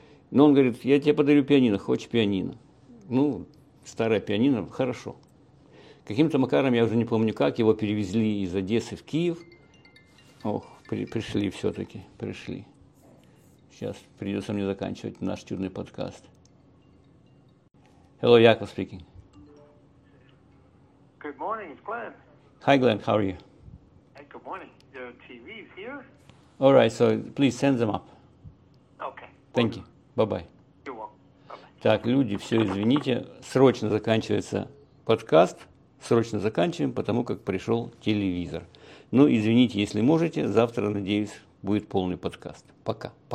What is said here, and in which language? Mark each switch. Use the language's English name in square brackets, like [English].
[Russian] Но он говорит, я тебе подарю пианино, хочешь пианино? Ну, старое пианино, хорошо. Каким-то макаром, я уже не помню как, его перевезли из Одессы в Киев. Ох, пришли все-таки, пришли. Сейчас придется мне заканчивать наш чудный подкаст. [English] Hello, Яков speaking. Good morning, it's Glenn. Hi, Glenn, how are you? Hey, good morning. Your TV is here? All right, so please send them up. Okay. Thank you. Bye-bye. You're welcome. [Russian] Так, люди, все, извините, срочно заканчивается подкаст. Срочно заканчиваем, потому как пришел телевизор. Ну, извините, если можете, завтра, надеюсь, будет полный подкаст. Пока.